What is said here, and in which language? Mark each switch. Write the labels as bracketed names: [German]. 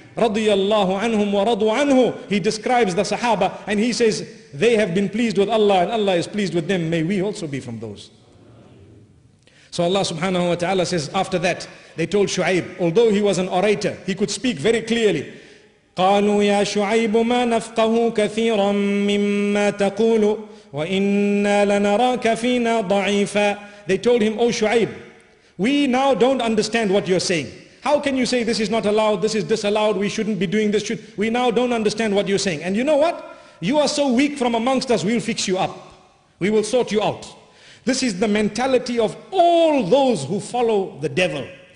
[Arabic] Radiyallahu anhum wa radu anhu. [English] He describes the sahaba and he says, they have been pleased with Allah and Allah is pleased with them. May we also be from those. So Allah subhanahu wa ta'ala says, after that, they told Shu'aib, although he was an orator, he could speak very clearly. [Arabic] قالوا يا شعيب ما نفقه كثيرا مما تقول وإنا لنراك فينا ضعيفا. [English] They told him, oh Shu'aib, we now don't understand what you're saying. How can you say this is not allowed, this is disallowed, we shouldn't be doing this, we now don't understand what you're saying. And you know what? You are so weak from amongst us, we'll fix you up. We will sort you out. This is the mentality of all those who follow the devil.